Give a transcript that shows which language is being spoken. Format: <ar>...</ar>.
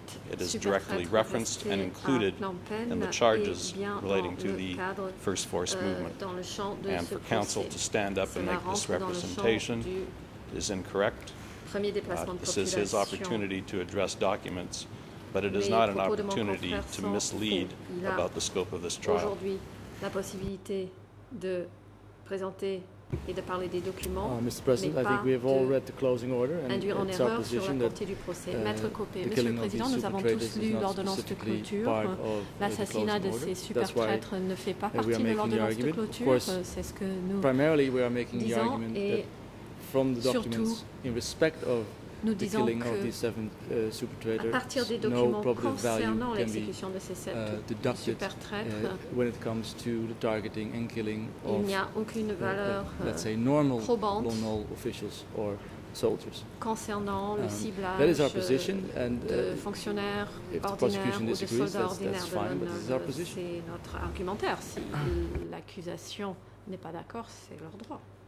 <en>It is directly referenced and included in the charges relating to the First Force movement. And for counsel to stand up and make this representation is incorrect. This is his opportunity to address documents. But it is not an opportunity to mislead about the scope of this trial.</en> <fr>Aujourd'hui, la possibilité de présenter et de parler des documents.</fr> <en>Mr. President, I think we have all read the closing order and it's our position that the killing of these super traitors is not specifically part of the closing order. That's why we are making the argument. Of course, primarily we are making the argument that from the documents, in respect of</en> <fr>Nous</fr> <en>the killing of these seven super traitors, no probative value can be deducted when it comes to the targeting and killing of, let's say, normal Lon Nol officials or soldiers.</en> <fr>Concernant le ciblage</fr> <en>that is our position, and if the prosecution disagrees, that's fine, but this is our position.</en> <fr>C'est notre argumentaire. Si l'accusation n'est pas d'accord, c'est leur droit.</fr>